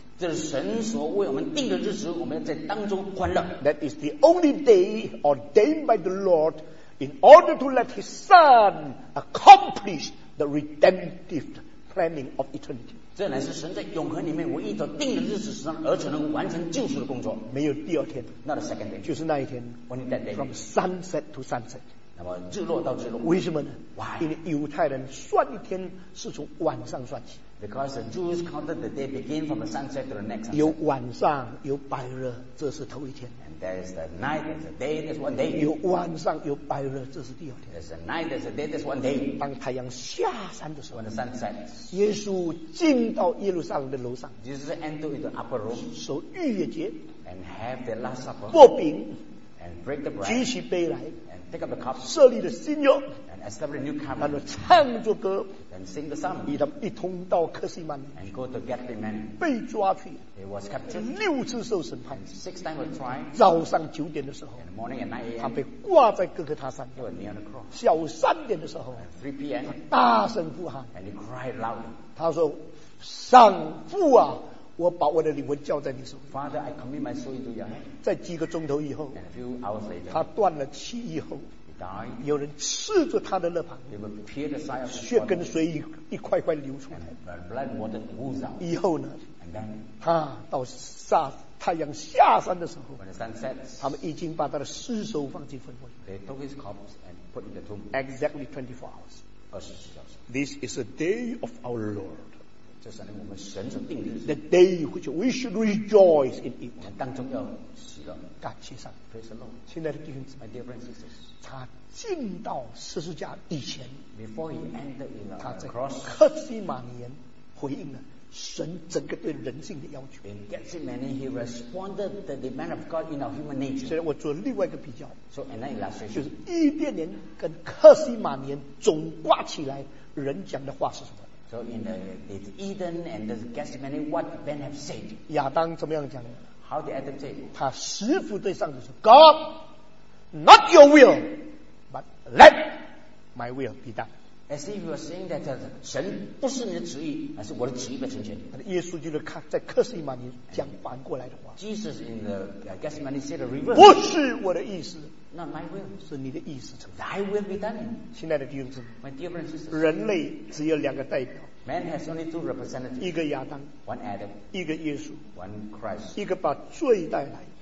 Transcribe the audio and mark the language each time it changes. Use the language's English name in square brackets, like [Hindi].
[Chinese] 这是神所为我们定的日子，我们要在当中欢乐。 [English] That is the only day ordained by the Lord. In order to let his son accomplish the redemptive planning of eternity. [Chinese] 这乃是神在永恒里面唯一所定的日子上而且能完成救赎的工作。没有第二天。 [English] Not a second day. [Chinese] 就是那一天。 [English] Only that day. From sunset to sunset. [Chinese] 那么日落到日落。为什么呢 [English] ?Why? [Chinese] 因为犹太人算一天是从晚上算起。 [English] Because the Jews counted the day begin from the sunset to the next sunset. [Chinese] 有晚上有白日这是头一天。 [English] There's the night, there's the day, there's one day. [Chinese] 有晚上有白日，这是第二天。 [English] There's the night, there's the day, there's one day. [Chinese] 当太阳下山的时候 [English] ，When the sun sets. [Chinese] 耶稣进到耶路撒冷的楼上 [English] ，Jesus entered the upper room. [Chinese] 守逾越节 [English] ，And have the last supper. [Chinese] 擘饼 [English] ，And break the bread. [Chinese] 举起杯来 [English] ，And take up the cup. [Chinese] 设立了新约 [English] ，And establish a new covenant. [Chinese] 然后唱着歌 [English] ，And sing the psalm. [Chinese] 与他们一同到客西门 [English] ，And go to Gethsemane. [Chinese] 被抓去。 [English] He was captured. [Chinese] 六次受审判 [English] ，six times was tried. [Chinese] 早上九点的时候 [English] ，in the morning at 9 a.m. [Chinese] 他被挂在哥哥他山 [English] ，he was nailed on the cross. [Chinese] 下午三点的时候 [English] ，at 3 p.m. [Chinese] 他大声呼喊 [English] ，and he cried loudly. [Chinese] 他说：“上父啊，我把我的灵魂交在你手里。 [English] ”Father, I commit my soul into your hand. [Chinese] 在几个钟头以后 [English] ，and a few hours later, [Chinese] 他断了气以后 [English] ，he died. [Chinese] 有人刺着他的肋旁 [English] ，they were pierced the side of his body. [Chinese] 血跟水一块块流出来 [English] ，and blood water oozed out. [Chinese] 以后呢？他到下太阳下山的时候 [English] When the sun sets, [Chinese] 他们已经把他的尸首放进坟墓 [English] They took his corpse and put in the tomb Exactly 24 hours 24 hours. This is a day of our Lord [Chinese] 这是我们神所定的日子 [English] The day which we should rejoice in it [Chinese] 我们当中要喜乐感谢上 [English] Praise the Lord [Chinese] 亲爱的弟兄姊 [English] 妹 My dear friends and sisters [Chinese] 他进到十字架以前 [English] Before he entered in the cross [Chinese] 他在克西马尼园回应了神整个对人性的要求。 [English] In Gethsemane, he responded to the demand of God in our human nature. [Chinese] 所以我做另外一个比较。 [English] So another illustration. [Chinese] 就是伊甸园跟克西马尼园总挂起来，人讲的话是什么 [English] ？So in the Eden and the Gethsemane, what men have said? [Chinese] 亚当怎么样讲的 [English] ？How did Adam say? [Chinese] 他十服对上帝说 [English] ，God, not your will, but let my will be done. As if you are saying that [Chinese] 神不是你的旨意，而是我的旨意被成全。耶稣就是看在克西玛尼讲反过来的话。 [English] Jesus in the Gethsemane said the reverse. [Chinese] 不是我的意思。 [English] Not my will. [Chinese] 是你的意思成 [English] 全。Thy will be done. [Chinese] 亲爱的弟兄姊妹。 [English] My dear brothers and [Chinese] sisters. 人类只有两个代表。 [English] Man has only two representatives. [Chinese] 一个亚当。 [English] One Adam. [Chinese] 一个耶稣。 [English] One Christ. [Chinese] 一个把罪带来。